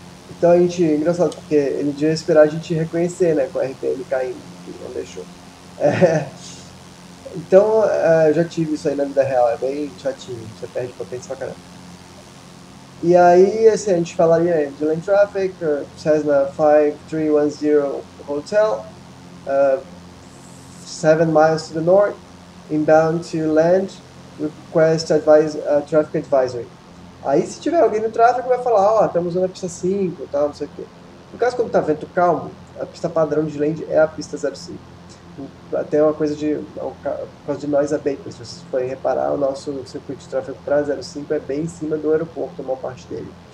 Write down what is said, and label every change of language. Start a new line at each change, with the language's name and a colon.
Portuguese: Então a gente, engraçado, porque ele devia esperar a gente reconhecer, né, com o RPM caindo, que não deixou. Então, eu já tive isso aí na vida real, é bem chatinho, você perde potência pra caramba. E aí, assim, a gente falaria de
English: lane traffic, Cessna 5310 Hotel, 7 miles to the north, inbound to land, request traffic advisory.
Portuguese: Aí, se tiver alguém no tráfego, vai falar: ó, estamos usando a pista 5, tal, não sei o quê. No caso, quando tá vento calmo, a pista padrão de land é a pista 05. Até uma coisa de. Por causa de noise abatement, se vocês forem reparar, o nosso circuito de tráfego para 05 é bem em cima do aeroporto, a maior parte dele.